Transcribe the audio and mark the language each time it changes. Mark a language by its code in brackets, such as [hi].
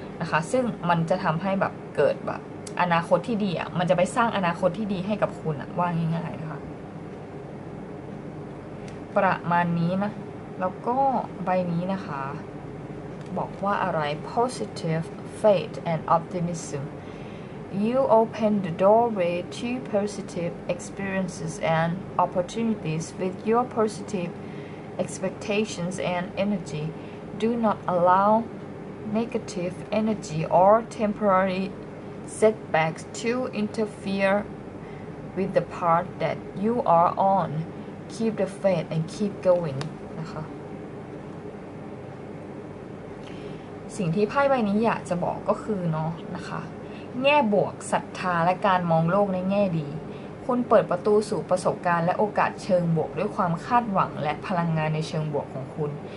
[th] นะคะซึ่งมันจะทำให้แบบเกิดแบบอนาคตที่ดีอ่ะมันจะไปสร้างอนาคตที่ดีให้กับคุณอ่ะว่าง่ายๆนะคะประมาณนี้นะแล้วก็ใบนี้นะคะบอกว่าอะไร [en] positive faith and optimismYou open the doorway to positive experiences and opportunities with your positive expectations and energy. Do not allow negative energy or temporary setbacks to interfere with the path that you are on. Keep the faith and keep going. [th] นะคะสิ่งที่ไพ่ใบนี้อยากจะบอกก็คือเนาะนะคะแง่บวกศรัทธาและการมองโลกในแง่ดีคุณเปิดประตูสู่ประสบการณ์และโอกาสเชิงบวกด้วยความคาดหวังและพลังงานในเชิงบวกของคุณ